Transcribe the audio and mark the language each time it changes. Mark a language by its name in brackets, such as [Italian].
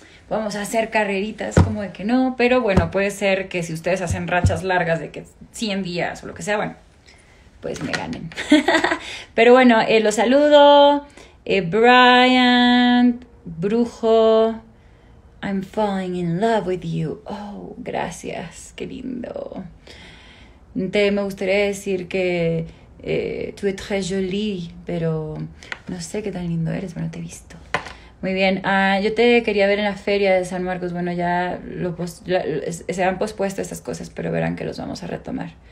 [Spanish] Vamos a hacer carreritas, como de que no, pero bueno, puede ser que si ustedes hacen rachas largas de que 100 días o lo que sea, bueno, pues me ganen. Pero bueno, los saludo. [English] Brian, Brujo, I'm falling in love with you. [Spanish] Oh, gracias, qué lindo. Me gustaría decir que tú eres [French] très jolie, [Spanish] pero no sé qué tan lindo eres, pero no te he visto. Muy bien, yo te quería ver en la feria de San Marcos. Bueno, ya se han pospuesto estas cosas, pero verán que los vamos a retomar.